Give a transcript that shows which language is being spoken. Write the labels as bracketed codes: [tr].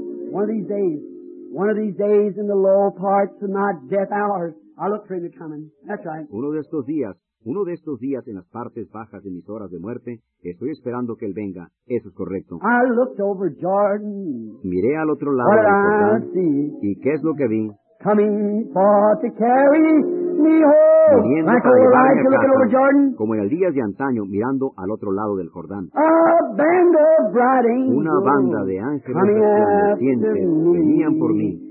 [en] One of these days in the low parts of my death hours, I'll look for him to come in. That's right. [es] Uno de estos días en las partes bajas de mis horas de muerte, estoy esperando que él venga. Eso es correcto. [en] I looked over Jordan. [es] Miré al otro lado del Jordán. ¿Y qué es lo que vi? [en] Coming for to carry me home. [es] Viniendo [en] like [es] para llevarme a casa. [en] Looking over Jordan. [es] Como en el día de antaño, mirando al otro lado del Jordán. [en] A band of bright angels. [es] Una banda de ángeles [en] coming [es] resplandecientes venían por mí.